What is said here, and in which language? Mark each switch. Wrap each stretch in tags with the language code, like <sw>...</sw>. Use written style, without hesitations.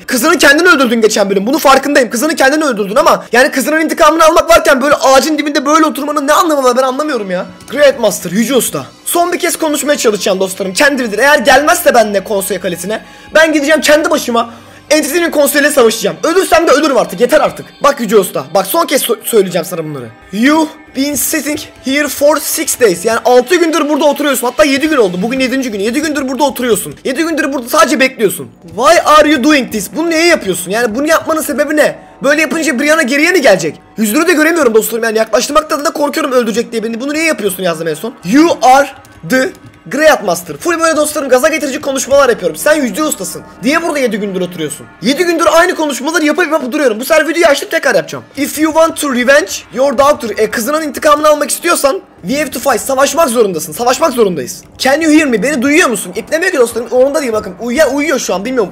<tr>Kızını kendin öldürdün geçen bölüm. Bunu farkındayım. Kızını kendin öldürdün ama yani kızının intikamını almak varken böyle ağacın dibinde böyle oturmanın ne anlamı var ben anlamıyorum ya. Great Master Yüce Usta. Son bir kez konuşmaya çalışacağım dostlarım. Kendi bilir. Eğer gelmezse benimle konsey kalesine ben gideceğim kendi başıma. Entity'nin konseyiyle savaşacağım. Ölürsem de ölürüm artık. Yeter artık. Bak Yüce Usta. Bak son kez söyleyeceğim sana bunları.</tr> <en>You been sitting here for 6 days.</en> <tr>Yani 6 gündür burada oturuyorsun. Hatta 7 gün oldu. Bugün 7. gün. 7 gündür burada oturuyorsun. 7 gündür burada sadece bekliyorsun.</tr> <en>Why are you doing this?</en> <tr>Bunu niye yapıyorsun? Yani bunu yapmanın sebebi ne? Böyle yapınca Brianna geriye mi gelecek? Yüzünü de göremiyorum dostum. Yani yaklaştırmakta da korkuyorum öldürecek diye beni. Bunu niye yapıyorsun yazdım en son.</tr> <en>You are the Great Master.</en> <tr>Full böyle dostlarım gaza getirici konuşmalar yapıyorum. Sen Yüce Usta'sın. Niye burada 7 gündür oturuyorsun? 7 gündür aynı konuşmaları yapıp duruyorum. Bu sefer videoyu açtım tekrar yapacağım.</tr> <en>If you want to revenge your daughter.</en> <tr>Kızının intikamını almak istiyorsan</tr> <en>We have to fight.</en> <tr>Savaşmak zorundasın. Savaşmak zorundayız.</tr> <en>Can you hear me?</en> <tr>Beni duyuyor musun? İpleme ki dostlarım. Onda değil bakın. Uyuyor şu an. Bilmiyorum.</tr>